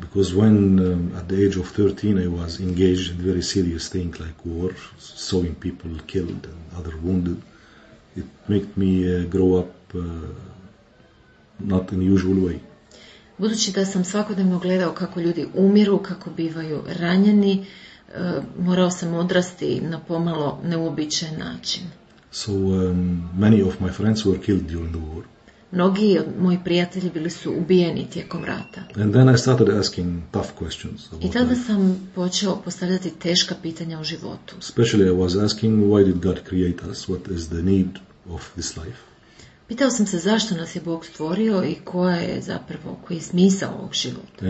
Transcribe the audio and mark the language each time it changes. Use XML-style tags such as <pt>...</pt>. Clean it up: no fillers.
<en>Because when at the age of 13 I was engaged in very serious things like war, saving people killed and other wounded, it made me grow up not in usual way.</en> <hr>Budući da sam svakodnevno gledao kako ljudi umiru, kako bivaju ranjeni, morao sam odrasti na pomalo neuobičajen način.</hr> <en>So many of my friends were killed during the war.</en> <hr>Mnogi od mojih prijatelji bili su ubijeni tijekom rata.</hr> <en>And then I started asking tough questions about</en> <hr>life. I tada sam počeo postavljati teška pitanja o životu.</hr> <en>Especially I was asking why did God create us? What is the need of this life?</en> <hr>Pitao sam se zašto nas je Bog stvorio i koja je zapravo koji je smisao ovog života.</hr>